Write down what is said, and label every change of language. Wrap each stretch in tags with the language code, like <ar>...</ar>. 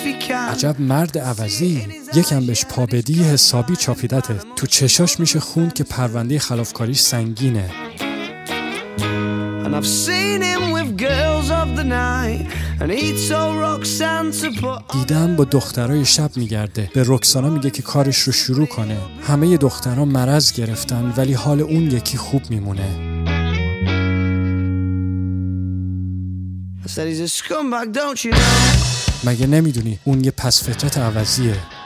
<fa>عجب مرد عوضی، یکم بهش پا بدی حسابی چاپیدته. تو چشاش میشه خوند که پرونده خلافکاریش سنگینه.</fa> <en>And I've seen him with girls of the night and he's so Roxanne to put.</en> <fa>دیدم با دخترای شب میگرده، به رکسانا میگه که کارش رو شروع کنه. همه دخترا مرض گرفتن ولی حال اون یکی خوب میمونه.</fa> <en>I said he's a scumbag, don't you know?</en> <fa>مگه نمیدونی اون یه پس فطرت عوضیه.</fa>